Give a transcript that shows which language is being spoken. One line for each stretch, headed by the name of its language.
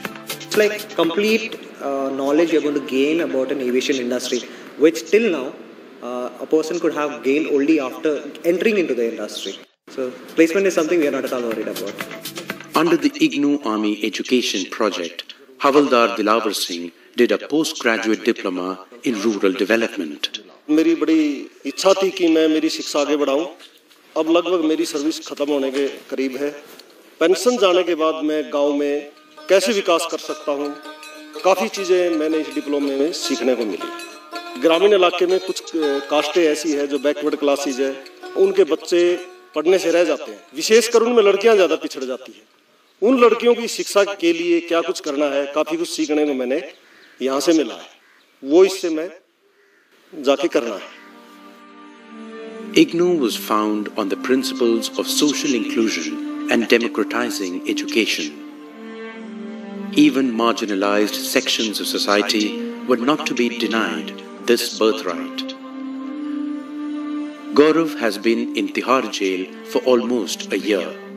English: It's like complete knowledge you're going to gain about an aviation industry, which till now, a person could have gained only after entering into the industry. So placement is something we are not at all worried about. Under the IGNOU Army Education Project, Havaldar Dilawar Singh did a postgraduate diploma in rural development.
Hindi: मेरी बड़ी इच्छा थी कि मैं मेरी शिक्षा आगे बढ़ाऊं। अब लगभग मेरी सर्विस खत्म होने के करीब है। पेंशन जाने के बाद मैं गांव में कैसे विकास कर सकता हूं? काफी चीजें मैंने इस डिप्लोमे में सीखने को मिली। ग्रामीण इलाके में कुछ कास्टें ऐसी हैं जो बैकवर्ड क्लासेज है, उनके बच्चे पढ़ने से रह जाते हैं, विशेषकर उनमें लड़कियां ज्यादा पिछड़ जाती है। उन लड़कियों की शिक्षा के लिए क्या कुछ करना है, काफी कुछ सीखने को मैंने यहाँ से मिला है, वो इससे मैं जाके करना है।
English: IGNOU was found on the principles of social inclusion and democratizing education. Even marginalized sections of society were not to be denied this birthright. Gaurav has been in Tihar jail for almost a year.